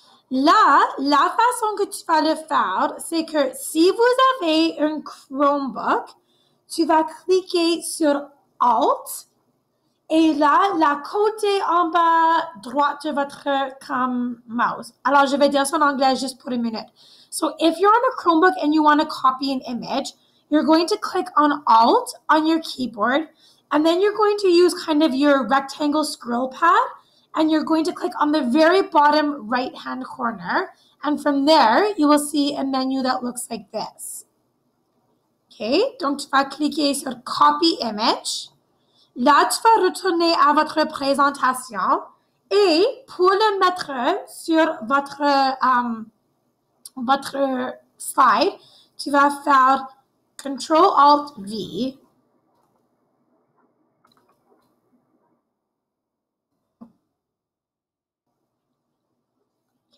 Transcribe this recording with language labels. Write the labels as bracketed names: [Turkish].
[French] Là, la façon que tu vas le faire, c'est que si vous avez un Chromebook, tu vas cliquer sur Alt et là, la côté en bas droite de votre comme mouse. Alors, je vais dire ça en anglais juste pour une minute. [English] So, if you're on a Chromebook and you want to copy an image, you're going to click on Alt on your keyboard and then you're going to use kind of your rectangle scroll pad. And you're going to click on the very bottom right-hand corner. And from there, you will see a menu that looks like this. OK? [French] Donc, tu vas cliquer sur « Copy image ». Là, tu vas retourner à votre présentation et pour le mettre sur votre, votre slide, tu vas faire « Ctrl-Alt-V ».